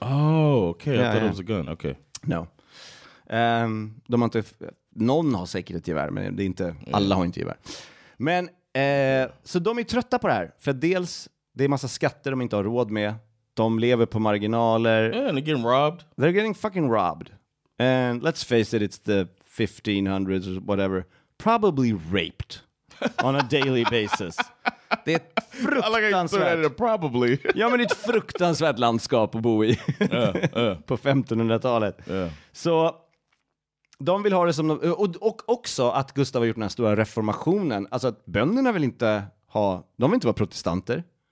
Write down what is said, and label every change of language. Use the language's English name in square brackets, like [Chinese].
[English] Oh, okay. Yeah, I thought it was a gun. Okay. [Swedish] No. De har inte. Någon har säkert ett gevär, men det är inte. Yeah. Alla har inte gevär. Men så de är trötta på det här, för dels det är massa skatter de inte har råd med. De lever på marginaler. [English] Yeah, and they're getting robbed. They're getting fucking robbed. And let's face it, it's the 1500s or whatever. Probably raped on a daily basis. [Swedish] Det är ett fruktansvärt. [English] Like, probably. [Swedish] Ja, men det är ett fruktansvärt landskap att bo i. På 1500-talet. Så de vill ha det som de, och också att Gustav har gjort den här stora reformationen. Alltså att bönderna vill inte ha, de vill inte vara protestanter.